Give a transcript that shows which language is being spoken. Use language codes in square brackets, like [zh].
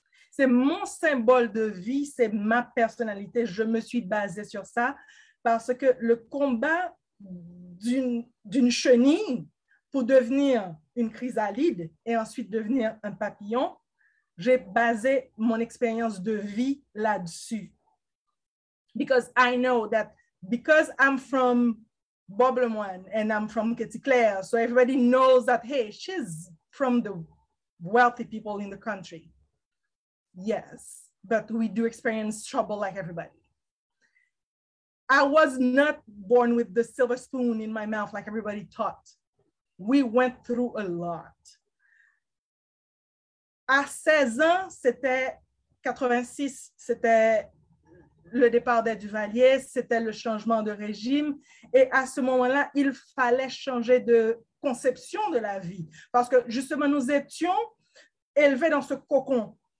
[fr] C'est mon symbole de vie, c'est ma personnalité. Je me suis basée sur ça parce que le combat d'une chenille pour devenir une chrysalide et ensuite devenir un papillon, j'ai basé mon expérience de vie là-dessus. [en] Because I know that because I'm from Boblemoine and I'm from Kitty Claire, so everybody knows that, hey, she's from the wealthy people in the country. Yes, but we do experience trouble like everybody. I was not born with the silver spoon in my mouth like everybody thought. We went through a lot. [fr] À 16 ans, c'était 86, c'était le départ des Duvaliers, c'était le changement de régime. Et à ce moment-là, il fallait changer de conception de la vie. Parce que justement, nous étions élevés dans ce cocon.